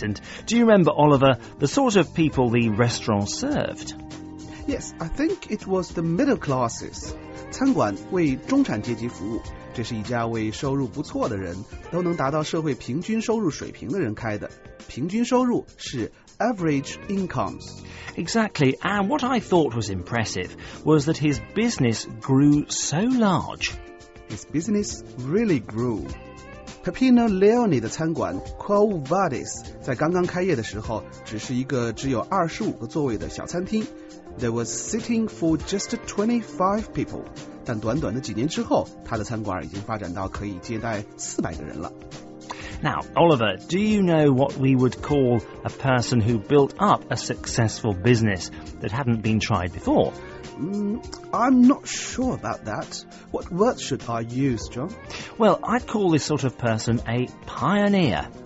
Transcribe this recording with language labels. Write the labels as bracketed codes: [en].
[en] And do you remember, Oliver, the sort of people the restaurant served? Yes, I think it was the middle classes. [zh] 餐馆为中产阶级服务。这是一家为收入不错的人都能达到社会平均收入水平的人开的。平均收入是 [en] average incomes. Exactly. And what I thought was impressive was that his business grew so large. His business really grew. [zh] Peppino Leone 的餐馆 Quo Vadis 在刚刚开业的时候只是一个只有25个座位的小餐厅。 [en] There was sitting for just 25 people. [zh] 但短短的几年之后，他的餐馆已经发展到可以接待400个人了。 [en] Now, Oliver, do you know what we would call a person who built up a successful business that hadn't been tried before? I'm not sure about that. What words should I use, John? Well, I'd call this sort of person a pioneer.